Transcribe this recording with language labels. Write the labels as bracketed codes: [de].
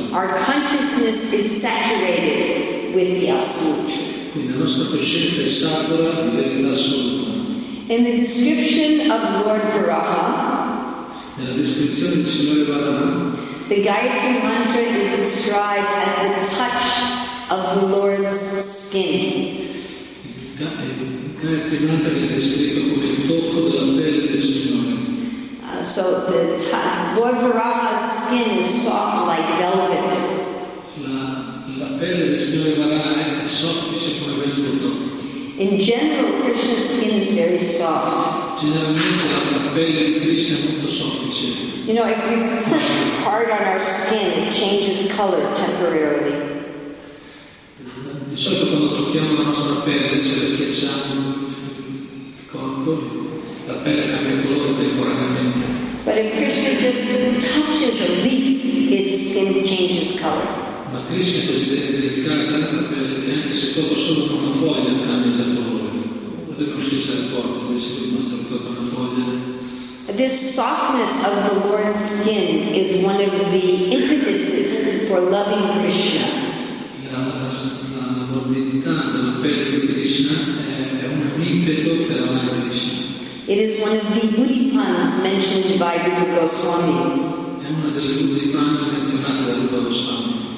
[en] Our consciousness is saturated with the Absolute Truth. [it] Quindi la nostra coscienza è satura di verità assoluta. [en] In the description of Lord Varaha, [it] nella descrizione del Signore Varaha, [en] the Gayatri mantra is described as the touch of the Lord's skin. [it] Il Gayatri mantra viene descritto come il tocco della pelle del Signore. [en] So the Lord Varaha's skin is soft like velvet. [it] La pelle del Signore Varaha è soffice come velluto. [en] In general, Krishna's skin is very soft. [it] Generalmente la pelle di Krishna è molto soffice. [en] You know, if we push hard on our skin, it changes color temporarily. [it] Di solito quando tocchiamo la nostra pelle, se la schiacciamo il corpo, la pelle cambia colore temporaneamente. [en] But if Krishna just touches a leaf, his skin changes color. [it] Ma Krishna così deve dedicare tanta pelle che anche se tocco solo con una foglia cambia il colore. Non è così forte, invece è rimasta tutta una foglia. [en] This softness of the Lord's skin is one of the impetuses for loving Krishna. [it] La morbidità della pelle di Krishna è un impeto per amare Krishna. [en] It is one of the Udipans mentioned by Rupa Goswami. [it] È una delle Udipane menzionate da Rupa Goswami.